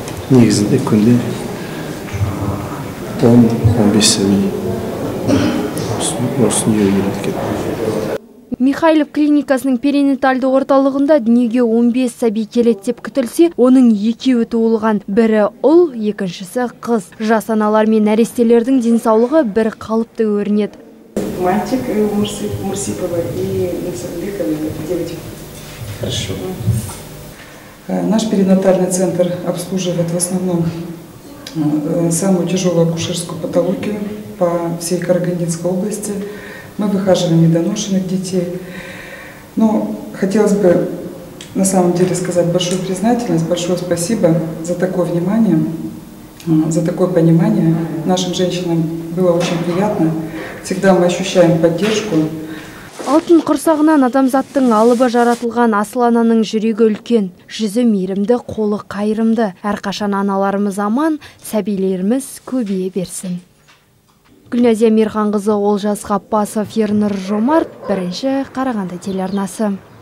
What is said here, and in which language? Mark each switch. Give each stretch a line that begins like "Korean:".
Kazakh: негізінде күнде 10-15 сәби осыны үйреніп кетті. Михайлов клиникасының перинатальды орталығында дүниеге 15 сәби келеді деп күтілсе, оның екеуі туылған. Бірі ұл, екіншісі қыз. Жас аналар мен нәрестелердің денсаулығы бір қалыпты өрінеді.
Russian: Мальчик Мурсипова и Мусабекова, девочек. Хорошо. Наш перинатальный центр обслуживает в основном самую тяжелую акушерскую патологию по всей Карагандинской области. Мы выхаживаем недоношенных детей. Но хотелось бы на самом деле сказать большую признательность, большое спасибо за такое внимание, за такое понимание. Нашим женщинам было очень приятно. Всегда мы ощущаем поддержку.
Kazakh: Алтын құрсағынан адамзаттың алыбы жаратылған асылананың жүрегі үлкен. Жүзі мейірімді, қолы қайырымды. Әрқашан аналарымыз аман, сәбилеріміз көбейе берсін. Гүлназия Мерханқызы, Олжас Ғаппасов, Ернұр Жомарт, бірінші Қарағанды телеарнасы.